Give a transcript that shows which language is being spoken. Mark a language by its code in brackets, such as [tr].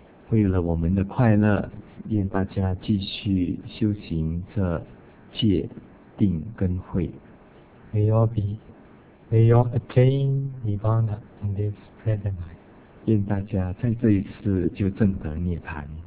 [zh] 为了我们的快乐，愿大家继续修行这戒、定、跟慧。 [en] May you all be, may you all attain nirvana in this present life. [zh] 愿大家在这一次就证得涅槃。